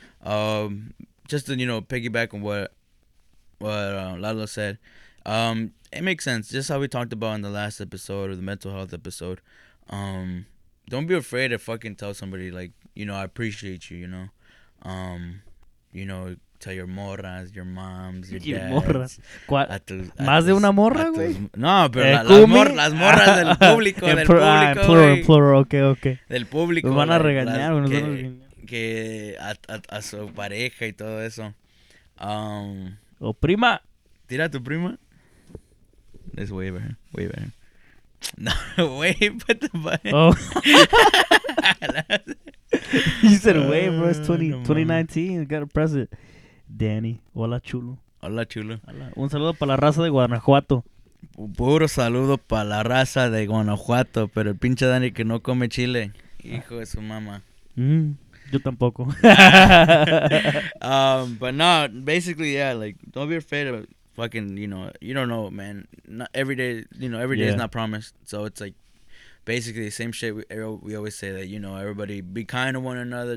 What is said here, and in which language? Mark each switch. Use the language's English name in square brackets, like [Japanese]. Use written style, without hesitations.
[English] Just to, you know, piggyback on what Lalo said. It makes sense. Just how we talked about in the last episode, or the mental health episode. Don't be afraid to fucking tell somebody, like, you know, I appreciate you. You know, tell your morras, your moms, your dads. [Spanish] ¿Cuál? ¿Más de una morra, güey? No, pero las morras del público, del público. Plural, plural, okay, okay. Del público. Nos van a regañar. Que a su pareja y todo eso. O prima. ¿Tira a tu prima? [English] Let's wave her, wave her. No, wave, put the button. Oh. You said wave, bro. It's 2019. Gotta press it. Danny, [Spanish] hola chulo. Hola chulo. Un saludo para la raza de Guanajuato. Puro saludo para la raza de Guanajuato. Pero el pinche Danny que no come chile, hijo de su mamá. Mm, yo tampoco. [English] But no, basically, yeah, like, don't be afraid of fucking, you know, you don't know, man. Not every day, you know, every day is not promised. So it's like, basically, the same shit we always say, that, you know, everybody be kind to one another.